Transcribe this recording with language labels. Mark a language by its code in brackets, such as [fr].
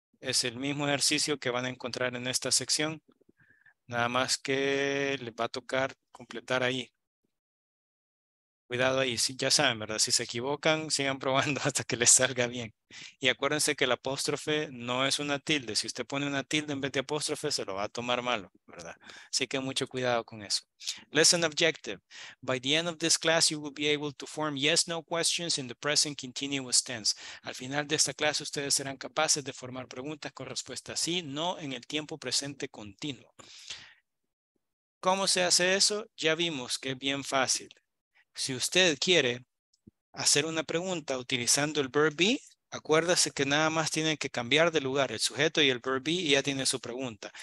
[es] Es el mismo ejercicio que van a encontrar en esta sección. Nada más que les va a tocar completar ahí. Cuidado ahí, si, ya saben, ¿verdad? Si se equivocan, sigan probando hasta que les salga bien. Y acuérdense que el apóstrofe no es una tilde. Si usted pone una tilde en vez de apóstrofe, se lo va a tomar malo, ¿verdad? Así que mucho cuidado con eso. [en] Lesson objective. By the end of this class, you will be able to form yes-no questions in the present continuous tense. [es] Al final de esta clase, ustedes serán capaces de formar preguntas con respuesta sí, no en el tiempo presente continuo. ¿Cómo se hace eso? Ya vimos que es bien fácil. Si usted quiere hacer una pregunta utilizando el verb be, acuérdese que nada más tiene que cambiar de lugar el sujeto y el verb be y ya tiene su pregunta.